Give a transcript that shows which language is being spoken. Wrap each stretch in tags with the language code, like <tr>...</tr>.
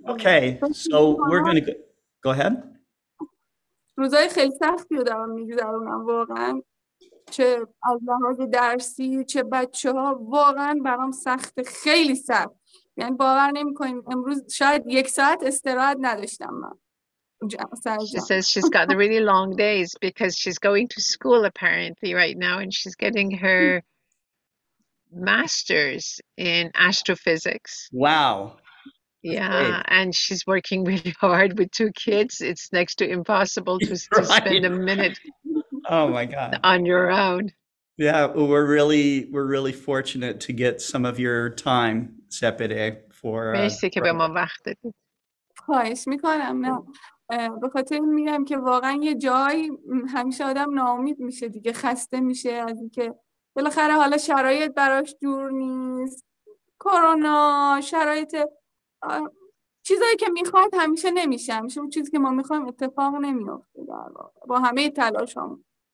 <en>Okay, so we're going to go ahead.</en> <fa>خیلی سختی رو دارم میگذرونم واقعا. چه از لحاظ درسی چه بچه ها واقعا برام سخت خیلی سخت یعنی باور نمی کنیم امروز شاید یک ساعت استراحت نداشتم من</fa> <en>She says she's got the really long days because she's going to school apparently right now and she's getting her master's in astrophysics. Wow. Yeah, and she's working really hard with two kids. It's next to impossible to right. spend a minute oh my God. On your own. Yeah, well, we're really fortunate to get some of your time, Sepideh, for</en> <fa>Merci que be ma vaqtet. خواهش میکنم نه به خاطر میگم که واقعا یه جای همیشه آدم ناامید میشه دیگه خسته میشه از اینکه بالاخره حالا شرایط براش جور نیست کرونا شرایط چیزایی که میخواد همیشه نمیشه همیشه اون چیزی که ما میخوایم اتفاق نمیافته با همه تلاشام</fa>